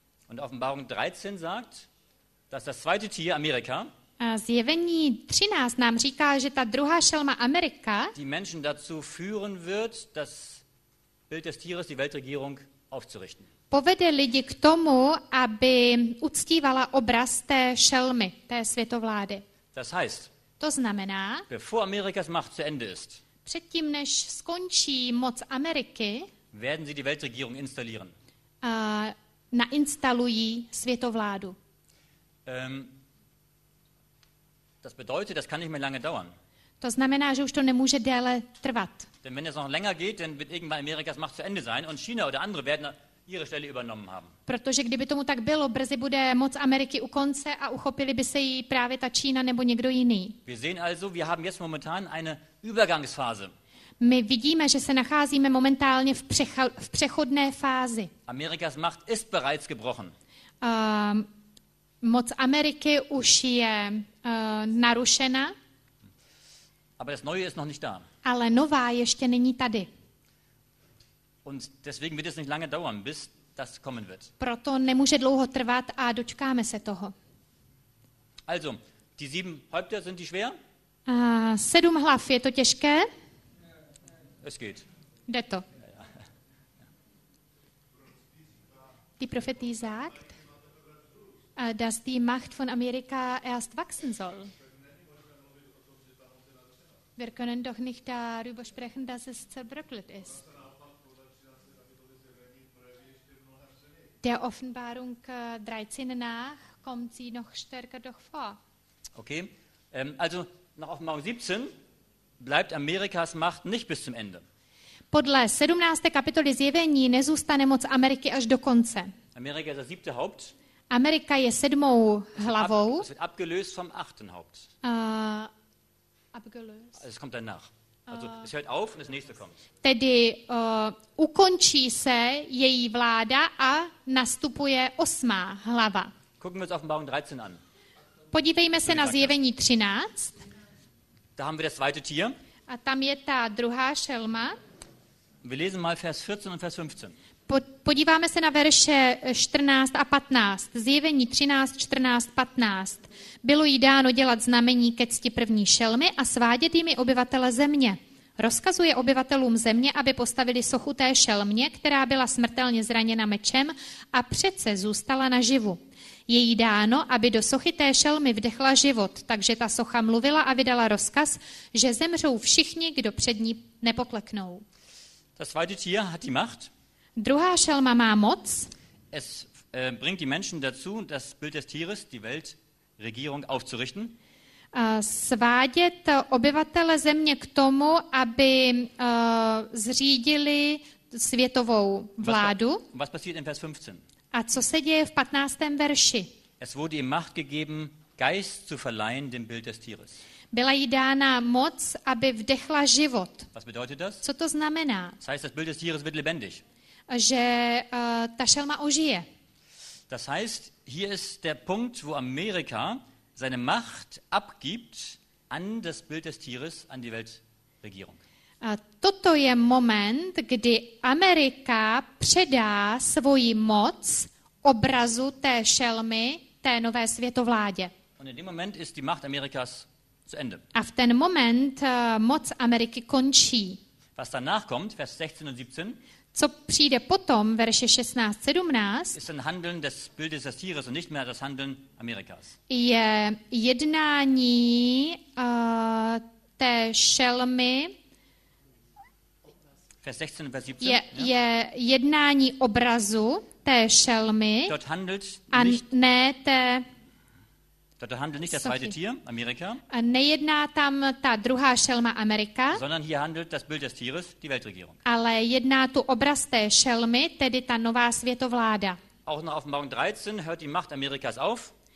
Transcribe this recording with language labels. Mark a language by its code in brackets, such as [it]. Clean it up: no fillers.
[de] Und Offenbarung 13 sagt, dass das zweite Tier Amerika, [cs] a zjevení 13 nám říká, že ta druhá šelma Amerika, [de] die Menschen dazu führen wird, das Bild des Tieres, die Weltregierung, aufzurichten. [cs] Povede lidi k tomu, aby uctívala obraz té šelmy, té světovlády. [de] Das heißt, [cs] to znamená, [de] bevor Amerikas Macht zu Ende ist, [cs] předtím, než skončí moc Ameriky, [de] werden sie die Weltregierung installieren. [cs] Nainstalují světovládu. [de] Das bedeutet, das kann nicht mehr lange dauern. [cs] To znamená, že už to nemůže déle trvat. [de] Denn wenn es noch länger geht, dann wird irgendwann Amerikas Macht zu Ende sein und China oder andere werden ihre Stelle übernommen haben. [cs] Protože kdyby tomu tak bylo, brzy bude moc Ameriky u konce a uchopili by se jí právě ta Čína nebo někdo jiný. [de] Wir sehen also, wir haben jetzt momentan eine Übergangsphase. [cs] My vidíme, že se nacházíme momentálně v přechodné fázi. [de] Amerikas Macht ist bereits gebrochen. [cs] Moc Ameriky už je narušena. [de] Aber das Neue ist noch nicht da. [cs] Ale nová ještě není tady. [de] Und deswegen wird es nicht lange dauern, bis das kommen wird. [cs] Proto nemůže dlouho trvat a dočkáme se toho. [de] Also, die sieben Häupter sind die schwer? [cs] Sedm hlav, je to těžké? [de] Es geht. [cs] Jde to. [de] Die Prophetie sagt, dass die Macht von Amerika erst wachsen soll. Wir können doch nicht darüber sprechen, dass es zerbröckelt ist. Der Offenbarung 13 nach kommt sie noch stärker doch vor. Okay, also nach Offenbarung 17 bleibt Amerikas Macht nicht bis zum Ende. [cs] Podle 17. kapitoly Zjevení nezůstane moc Ameriky až do konce. [de] Amerika je siebte Haupt. [cs] Amerika je sedmou hlavou. [de] Es wird abgelöst vom achten Haupt. Abgelöst. Es kommt danach. Also es hört auf und das nächste kommt. [cs] Tedy ukončí se její vláda a nastupuje osmá hlava. [de] Gucken wir uns Offenbarung 13 an. [cs] Podívejme se na Zjevení 13. [de] Da haben wir das zweite Tier. [cs] A tam je ta druhá šelma. [de] Wir lesen mal Vers 14 und Vers 15. [cs] Podíváme se na verše 14 a 15. Zjevení 13, 14, 15. Bylo jí dáno dělat znamení ke cti první šelmy a svádět jimi obyvatele země. Rozkazuje obyvatelům země, aby postavili sochu té šelmě, která byla smrtelně zraněna mečem a přece zůstala naživu. Je jí dáno, aby do sochy té šelmy vdechla život, takže ta socha mluvila a vydala rozkaz, že zemřou všichni, kdo před ní nepokleknou. [de] Das zweite Tier hat die Macht. [cs] Druhá šelma má moc. [de] Es bringt die Menschen dazu, das Bild des Tieres, die Weltregierung aufzurichten. [cs] Svádět obyvatele země k tomu, aby zřídili světovou vládu. [de] Was passiert in Vers 15? [cs] A co se děje v 15. verši? [de] Es wurde ihm Macht gegeben, Geist zu verleihen dem Bild des Tieres. [cs] Byla jí dána moc, aby vdechla život. [de] Was bedeutet das? [cs] Co to znamená? [de] Das heißt, das Bild des Tieres wird lebendig. [cs] Že ta šelma ožije. [de] Das heißt, hier ist der Punkt, wo Amerika seine Macht abgibt an das Bild des Tieres, an die Weltregierung. [cs] Toto je moment, kdy Amerika předá svoji moc obrazu té šelmy, té nové světovládě. [de] Und in dem Moment ist die Macht Amerikas zu Ende. [cs] A v ten moment moc Ameriky končí. [de] Was danach kommt, Vers 16 und 17, [cs] co přijde potom, verše 16, 17, [de] ist ein Handeln des Bildes des Tieres und nicht mehr das Handeln Amerikas. [cs] Je jednání té šelmy. [de] Vers 16 und Vers 17. [cs] Je jednání obrazu té šelmy. [de] Dort handelt [cs] a [de] nicht, [cs] ne té. [de] Dort handelt nicht das zweite Tier, Amerika. [cs] A nejedná tam ta druhá šelma Amerika. [de] Sondern hier handelt das Bild des Tieres, die Weltregierung. [cs] Ale jedná tu obraz té šelmy, tedy ta nová světovláda. [de] Auch nach Offenbarung 13 hört die Macht Amerikas auf.